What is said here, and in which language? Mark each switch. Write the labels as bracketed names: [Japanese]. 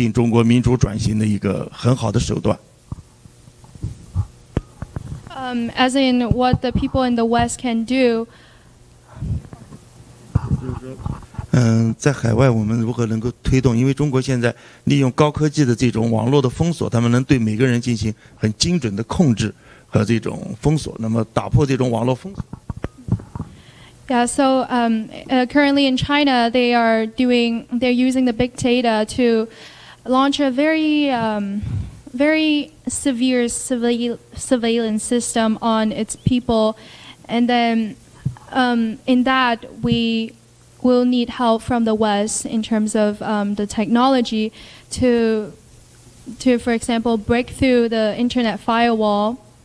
[Chinese] 那么网络解除网络封锁其实是一个最重要的一个方式，我们觉得也是个可行的一个方式。比如说马斯克的信念，也许以后在中国会对中国的这种民间的这种组织能够形成一个这个突破中国的封锁，是一个很好的一种方式。也许这个是最后能促进中国民主转型的一个很好的手段。 [English] As in what the people in the West can do. [Chinese] 在海外我们如何能够推动，因为中国现在利用高科技的这种网络的封锁，他们能对每个人进行很精准的控制和这种封锁，那么打破这种网络封锁。 [English] Yeah, so currently in China, they're using the big data to launch a very very severe surveillance system on its people, and then in that we will need help from the West in terms of the technology to for example break through the internet firewall.